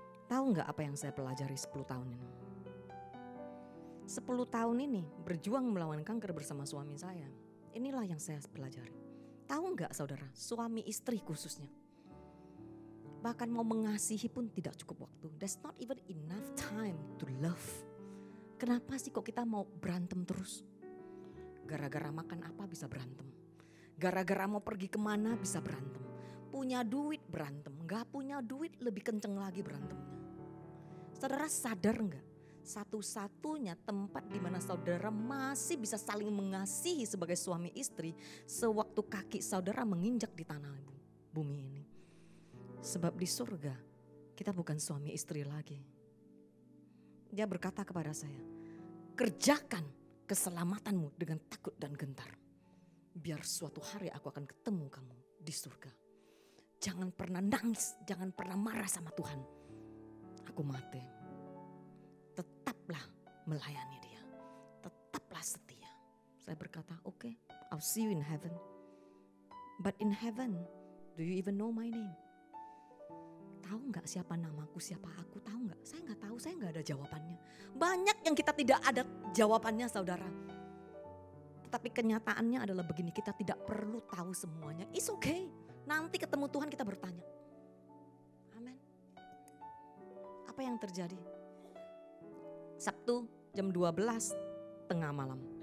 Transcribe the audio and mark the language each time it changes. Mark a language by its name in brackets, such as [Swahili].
[Indonesian] Tahu gak apa yang saya pelajari 10 tahun ini? 10 tahun ini berjuang melawan kanker bersama suami saya. Inilah yang saya pelajari. Tahu gak saudara, suami istri khususnya. Bahkan mau mengasihi pun tidak cukup waktu. [English] There's not even enough time to love. [Indonesian] Kenapa sih kok kita mau berantem terus? Gara-gara makan apa bisa berantem. Gara-gara mau pergi kemana bisa berantem. Punya duit berantem. Gak punya duit lebih kenceng lagi berantemnya. Saudara sadar gak? Satu-satunya tempat di mana saudara masih bisa saling mengasihi sebagai suami istri. Sewaktu kaki saudara menginjak di tanah bumi ini. Sebab di surga kita bukan suami istri lagi. Dia berkata kepada saya, kerjakan keselamatanmu dengan takut dan gentar. Biar suatu hari aku akan ketemu kamu di surga. Jangan pernah nangis, jangan pernah marah sama Tuhan. Aku mati. Tetaplah melayani dia. Tetaplah setia. Saya berkata, oke, [English] okay, I'll see you in heaven. But in heaven, do you even know my name? [Indonesian] Tahu gak siapa namaku, siapa aku? Tahu gak? Saya gak tahu, saya gak ada jawabannya. Banyak yang kita tidak ada jawabannya, saudara. Tetapi kenyataannya adalah begini, kita tidak perlu tahu semuanya. [English] It's okay. [Indonesian] Nanti ketemu Tuhan kita bertanya. Amin. Apa yang terjadi? Sabtu jam 12 tengah malam.